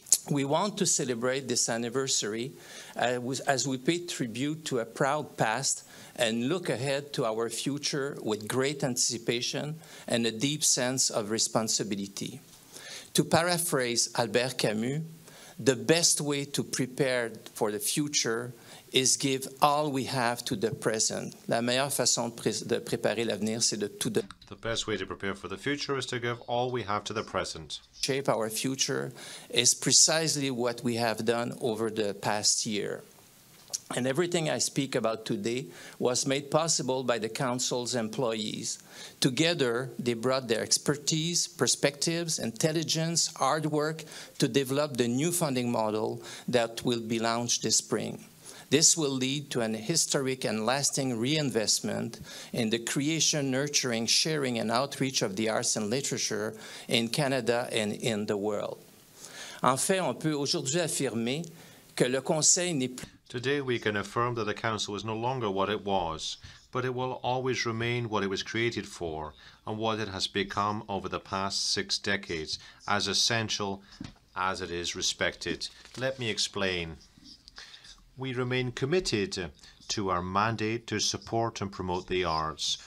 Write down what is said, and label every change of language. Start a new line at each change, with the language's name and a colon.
English: We want to celebrate this anniversary as we pay tribute to a proud past and look ahead to our future with great anticipation and a deep sense of responsibility. To paraphrase Albert Camus, the best way to prepare for the future is give all we have to the present.
French: La meilleure façon de préparer l'avenir, c'est de tout donner.
English: The best way to prepare for the future is to give all we have to the present. Shape our future is precisely what we have done over the past year. And everything I speak about today was made possible by the Council's employees. Together, they brought their expertise, perspectives, intelligence, hard work to develop the new funding model that will be launched this spring. This will lead to an historic and lasting reinvestment in the creation, nurturing, sharing, and outreach of the arts and literature in Canada and in the world.
French: En fait, on peut aujourd'hui affirmer que le Conseil n'est plus.
English: Today we can affirm that the Council is no longer what it was, but it will always remain what it was created for and what it has become over the past six decades, as essential as it is respected. Let me explain. We remain committed to our mandate to support and promote the arts.